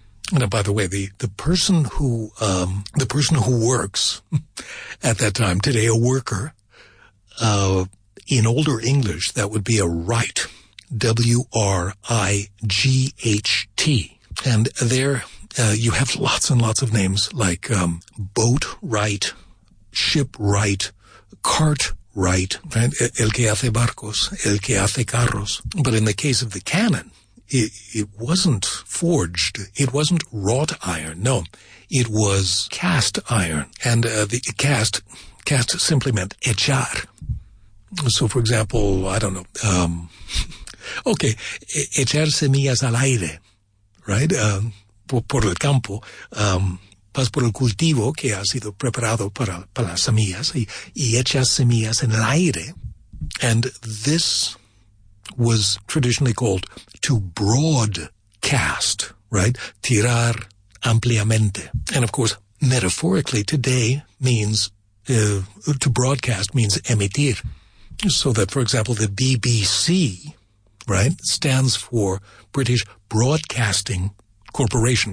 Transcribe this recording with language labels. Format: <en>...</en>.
<en>Now, by the way, the person who works at that time, today a worker, in older English, that would be a right, W-R-I-G-H-T. And there you have lots and lots of names like boatwright, shipwright, cartwright, right?</en> <es>El que hace barcos, el que hace carros.</es> <en>But in the case of the cannon, it wasn't forged. It wasn't wrought iron. No, it was cast iron. And cast simply meant echar. So, for example, I don't know. Okay,</en> <es>echar semillas al aire,</es> <en>right?</en> <es>Por el campo, pas por el cultivo que ha sido preparado para las semillas, y echas semillas en el aire.</es> <en>And this was traditionally called to broadcast, right?</en> <es>Tirar ampliamente.</es> <en>And of course, metaphorically, today means, to broadcast means emitir. So that, for example, the BBC, right, stands for British Broadcasting Corporation.</en>